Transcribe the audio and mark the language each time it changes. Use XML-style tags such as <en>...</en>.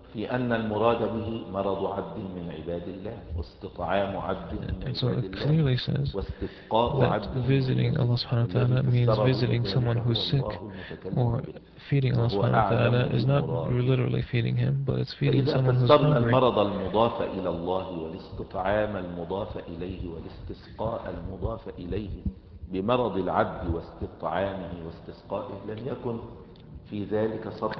<ar>في أن المراد به مرض عبد من عباد الله واستطعام عبد من عباد الله.</ar> <en>So it clearly says that visiting Allah subhanahu wa ta'ala means visiting someone who's sick, or feeding Allah subhanahu wa ta'ala is not literally feeding him, but it's feeding someone who's hungry.</en> <ar>المرض المضاف إلى الله والاستطعام المضاف إليه والاستسقاء المضاف إليه بمرض العبد واستطعامه واستسقائه لم يكن في ذلك صرف.</ar>